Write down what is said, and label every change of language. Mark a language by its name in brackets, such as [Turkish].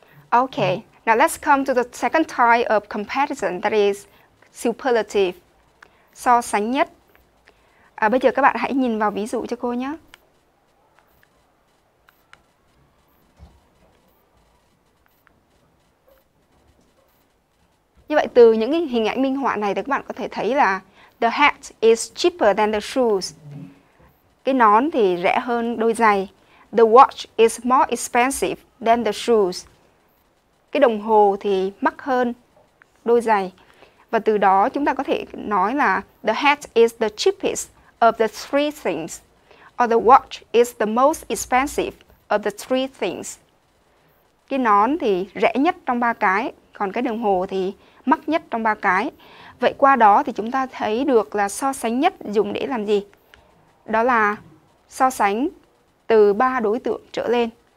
[English] Okay, now let's come to the second type of comparison, that is superlative, so sánh nhất. [Vietnamese] À, bây giờ các bạn hãy nhìn vào ví dụ cho cô nhé. Như vậy từ những hình ảnh minh họa này thì các bạn có thể thấy là [English] the hat is cheaper than the shoes. [Vietnamese] Cái nón thì rẻ hơn đôi giày. [English] The watch is more expensive than the shoes. [Vietnamese] Cái đồng hồ thì mắc hơn đôi giày. Và từ đó chúng ta có thể nói là [English] the hat is the cheapest of the three things. Or the watch is the most expensive of the three things. [Vietnamese] Cái nón thì rẻ nhất trong ba cái. Còn cái đồng hồ thì mắc nhất trong ba cái. Vậy qua đó thì chúng ta thấy được là so sánh nhất dùng để làm gì? Đó là so sánh từ ba đối tượng trở lên.